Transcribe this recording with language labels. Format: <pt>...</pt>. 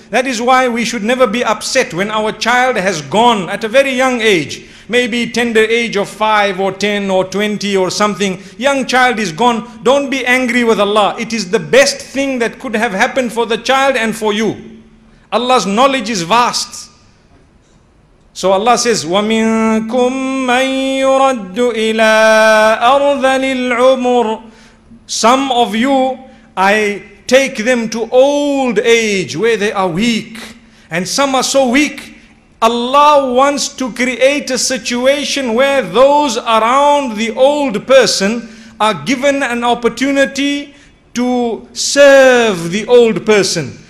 <en>That is why we should never be upset when our child has gone at a very young age. Maybe tender age of 5 or 10 or 20 or something. Young child is gone. Don't be angry with Allah. It is the best thing that could have happened for the child and for you. Allah's knowledge is vast. So Allah says,</en> <ar>وَمِنْكُمْ مَنْ يُرَدُّ إِلَىٰ أَرْضَلِ الْعُمُرِ.</ar> <en>Some of you, I take them to old age where they are weak. And some are so weak, Allah wants to create a situation where those around the old person are given an opportunity to serve the old person.</en>